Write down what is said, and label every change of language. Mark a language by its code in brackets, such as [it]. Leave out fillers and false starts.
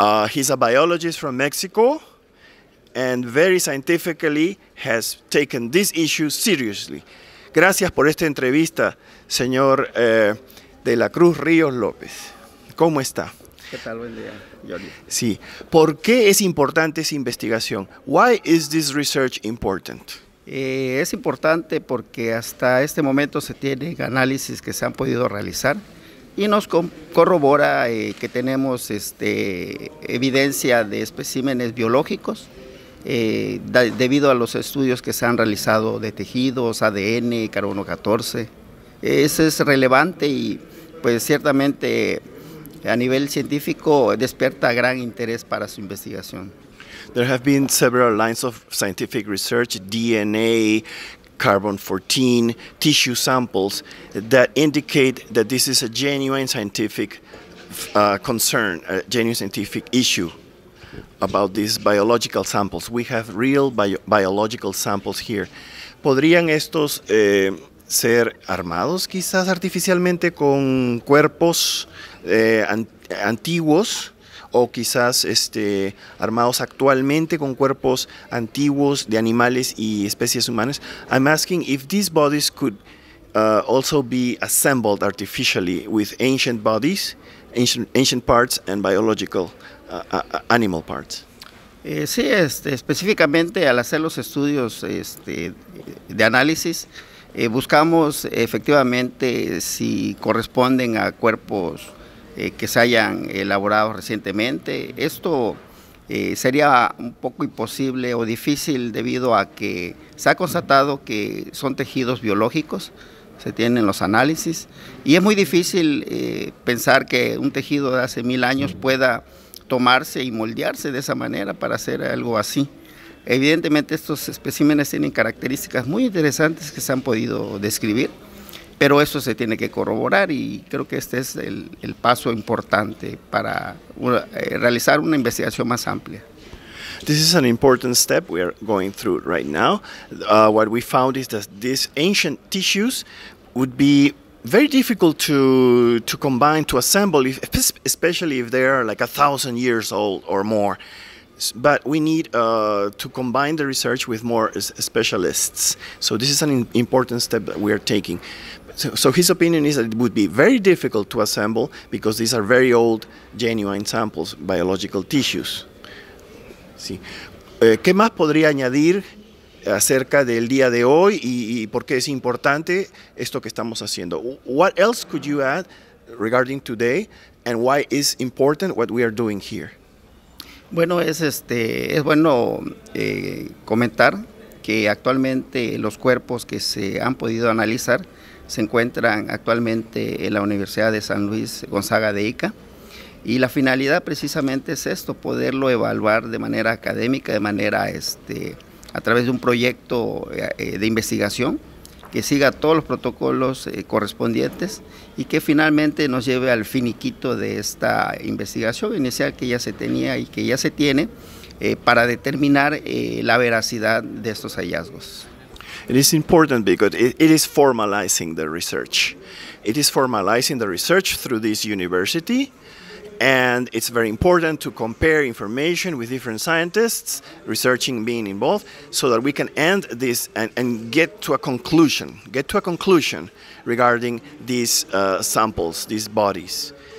[en] He's a biologist from Mexico and very scientifically has taken this issue seriously. [es] Gracias por esta entrevista, señor de la Cruz Ríos López. ¿Cómo está? ¿Qué tal? Buen día, Giorgio. Sí. ¿Por qué es importante esa investigación? [en] Why is this research important? [es] Es importante porque hasta este momento se tienen análisis que se han podido realizar y nos corrobora que tenemos evidencia de especímenes biológicos debido a los estudios que se han realizado de tejidos, ADN, carbono 14. Eso es relevante y pues ciertamente a nivel científico despierta gran interés para su investigación. [en] There have been several lines of scientific research, DNA, carbon 14, tissue samples that indicate that this is a genuine scientific concern, a genuine scientific issue about these biological samples. We have real biological samples here. [es] ¿Podrían estos ser armados quizás artificialmente con cuerpos antiguos o quizás armados actualmente con cuerpos antiguos de animales y especies humanas? [en] I'm asking if these bodies could also be assembled artificially with ancient bodies, ancient parts and biological animal parts. [es] Sí, específicamente al hacer los estudios de análisis, buscamos efectivamente si corresponden a cuerpos que se hayan elaborado recientemente. Esto sería un poco imposible o difícil debido a que se ha constatado que son tejidos biológicos, se tienen los análisis, y es muy difícil pensar que un tejido de hace 1000 años pueda tomarse y moldearse de esa manera para hacer algo así. Evidentemente estos especímenes tienen características muy interesantes que se han podido describir, pero eso se tiene que corroborar y creo que este es el paso importante para realizar una investigación más amplia. [en] This is an important step we are going through right now. What we found is that these ancient tissues would be very difficult to combine, to assemble, especially if they are like 1,000 years old or more. But we need to combine the research with more specialists. So this is an important step that we are taking. So his opinion is that it would be very difficult to assemble because these are very old, genuine samples, biological tissues. [es] Sí. ¿Qué más podría añadir acerca del día de hoy y por qué es importante esto que estamos haciendo? [en] What else could you add regarding today and why is important what we are doing here? [es] Bueno, es bueno comentar que actualmente los cuerpos que se han podido analizar se encuentran actualmente en la Universidad de San Luis Gonzaga de Ica y la finalidad precisamente es esto, poderlo evaluar de manera académica, de manera a través de un proyecto de investigación que siga todos los protocolos correspondientes y que finalmente nos lleve al finiquito de esta investigación inicial que ya se tenía y que ya se tiene para determinar la veracidad de estos hallazgos. [en] It is important because it is formalizing the research. It is formalizing the research through this university and it's very important to compare information with different scientists, researching being involved, so that we can end this and get to a conclusion, regarding these samples, these bodies.